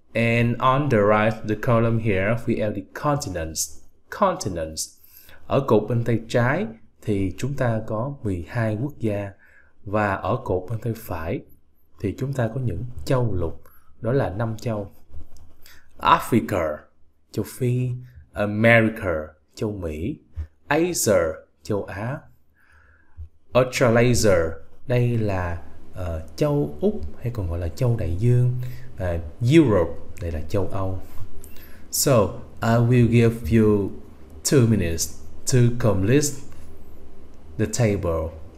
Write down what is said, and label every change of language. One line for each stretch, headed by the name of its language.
English: And on the right, the column here, we have the continents. Continents.
Vietnamese: Ở cột bên tay trái thì chúng ta có 12 quốc gia. Và ở cột bên tay phải thì chúng ta có những châu lục. Đó là 5 châu. Africa, châu Phi. America, châu Mỹ. Asia, châu Á. Australasia, đây là châu Úc hay còn gọi là châu đại dương. Europe, đây là châu Âu.
English: So, I will give you 2 minutes to complete the table.